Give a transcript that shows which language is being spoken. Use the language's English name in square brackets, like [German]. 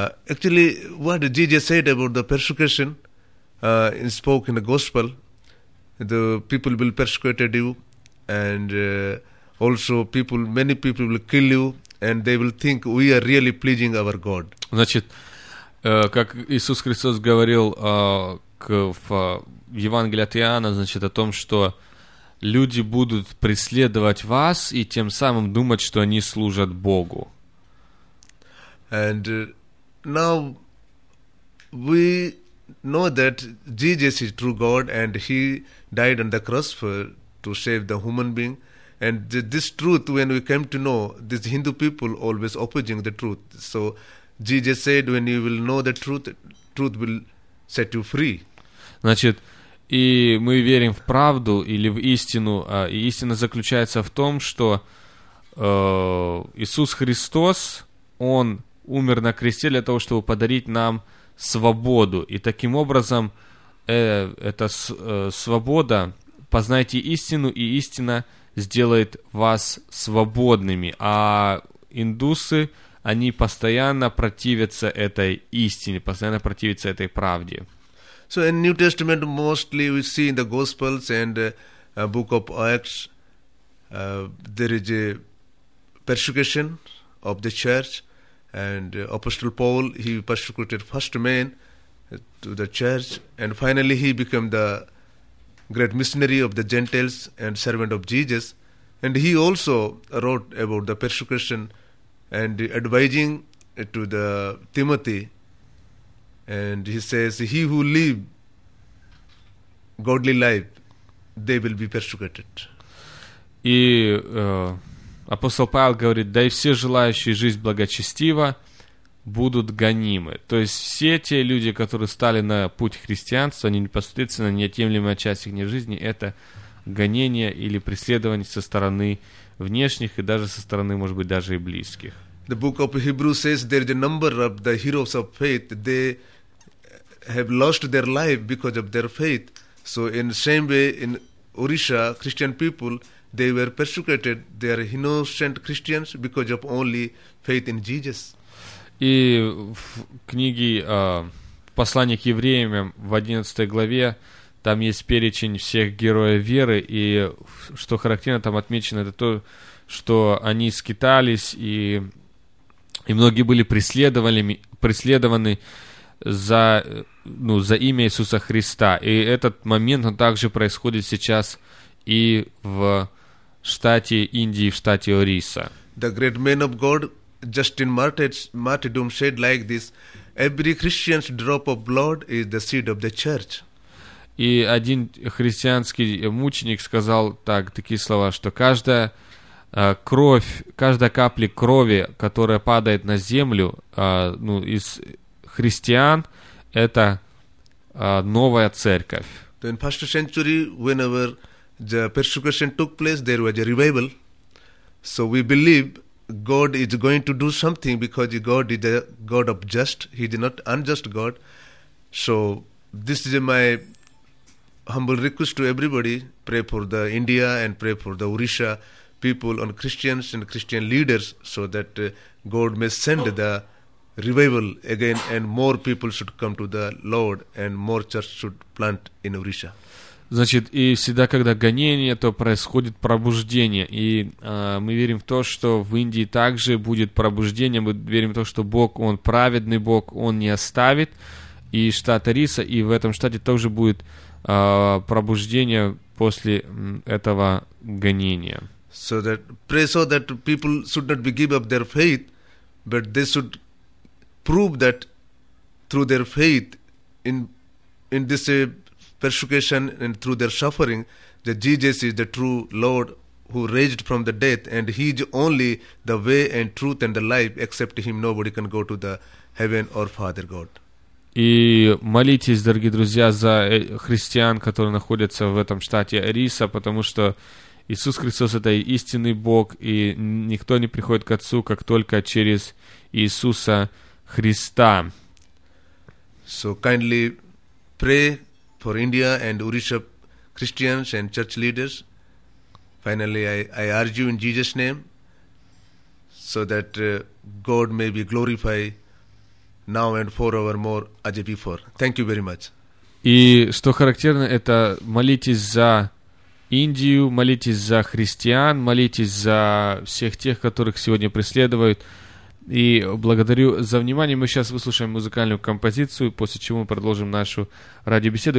[English] Actually, what Jesus said about the persecution is spoke in the gospel. The people will persecute you, and also people, many people will kill you, and they will think we are really pleasing our God. [Russian] Значит, как Иисус Христос говорил в Евангелии от Иоанна, значит, о том, что люди будут преследовать вас и тем самым думать, что они служат Богу. [English] And now we know that Jesus is true God, and he died on the cross to save the human being. And this truth, when we came to know, these Hindu people always opposing the truth. So Jesus said, when you will know the truth, truth will set you free. [Russian] Значит, и мы верим в правду или в истину, и истина заключается в том, что Иисус Христос, Он умер на кресте для того, чтобы подарить нам свободу. И таким образом, эта свобода, познайте истину, и истина сделает вас свободными. А индусы, они постоянно противятся этой истине, постоянно противятся этой правде. [English] So in New Testament, mostly we see in the Gospels and Book of Acts, there is a persecution of the church, and Apostle Paul, he persecuted first man to the church, and finally he became the great missionary of the Gentiles and servant of Jesus. And he also wrote about the persecution and advising to the Timothy, and he says, he who live godly life, they will be persecuted. [Russian] И апостол Павел говорит, да и все желающие жизнь благочестива будут гонимы. То есть все те люди, которые стали на путь христианства, они непосредственно неотъемлемая часть их жизни, это гонение или преследование со стороны внешних и даже со стороны, может быть, даже и близких. [English] The book of Hebrews says there is a number of the heroes of faith. They have lost their life because of their faith. So in the same way, in Orissa, Christian people, they were persecuted. They are innocent Christians because of only faith in Jesus. [Russian] И в книге «Послание к евреям» в 11 главе там есть перечень всех героев веры, и что характерно там отмечено, это то, что они скитались, и многие были преследованы за имя Иисуса Христа. И этот момент, он также происходит сейчас и в штате Индии, в штате Орисса. [English] The great man of God, Justin Martyrdom, said like this, every Christian's drop of blood is the seed of the church. [Russian] И один христианский мученик сказал так, такие слова, что каждая кровь, каждая капля крови, которая падает на землю из христиан, это новая церковь. [English] In first century, whenever the persecution took place, there was a revival. So we believe God is going to do something because God is a God of just. He is not unjust God. So this is my humble request to everybody. Pray for the India and pray for the Orisha people and Christians and Christian leaders so that God may send the revival again and more people should come to the Lord and more church should plant in Orisha. [Russian] Значит, и всегда, когда гонение, то происходит пробуждение. И мы верим в то, что в Индии также будет пробуждение. Мы верим в то, что Бог, Он праведный Бог, Он не оставит. И штат Ориса, и в этом штате тоже будет пробуждение после этого гонения. [English] So that, pray so that people should not be give up their faith, but they should prove that through their faith in this persecution and through their suffering, that Jesus is the true Lord who raised from the death, and He is only the way and truth and the life. Except Him, nobody can go to the heaven or Father God. [Russian] И молитесь, дорогие друзья, за христиан, которые находятся в этом штате Ориса, потому что Иисус Христос — это истинный Бог, и никто не приходит к Отцу, как только через Иисуса Христа. [English] So kindly pray for India and Orisha Christians and church leaders. Finally, I urge you in Jesus' name so that God may be glorified now and forevermore as before. Thank you very much. [Russian] И что характерно, это молитесь за Индию, молитесь за христиан, молитесь за всех тех, которых сегодня преследуют. И благодарю за внимание. Мы сейчас выслушаем музыкальную композицию, после чего мы продолжим нашу радиобеседу.